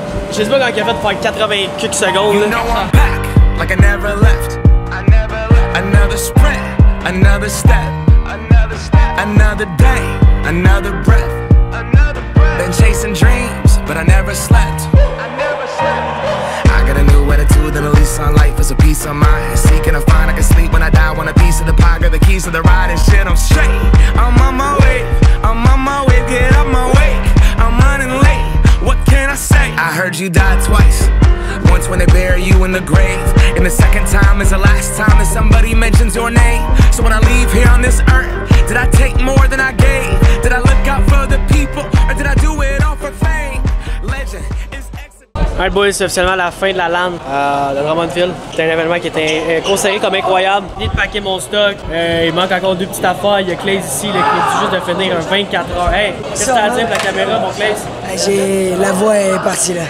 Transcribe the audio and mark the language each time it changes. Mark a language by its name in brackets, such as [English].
[French] Je sais pas quand il a fait pour 80 quelques secondes. [English] Like I never left. Another sprint, another step, another day, another breath. Been chasing dreams, but I never slept. I got a new attitude and a lease on life is a peace of mind. Seeking to find I can sleep when I die. Want a piece of the pie, got the keys to the ride and shit. I'm straight. I'm on my way. Get out my way. I'm running late. What can I say? I heard you die twice. Once when they bury you in the grave, and the second time is the last time that somebody mentions your name. So when I leave here on this earth, did I take more than I gave? Did I look out for the people, or did I do it all for fame? Legend. Alright boys, [French] c'est officiellement la fin de la LAN de Drummondville. C'est un événement qui était considéré comme incroyable. J'ai fini de packer mon stock. Il manque encore deux petites affaires. Il y a Claise ici, il est juste de finir un 24 heures. Hey, qu'est-ce que t'as à dire pour la caméra, mon Claise? La voix est partie là.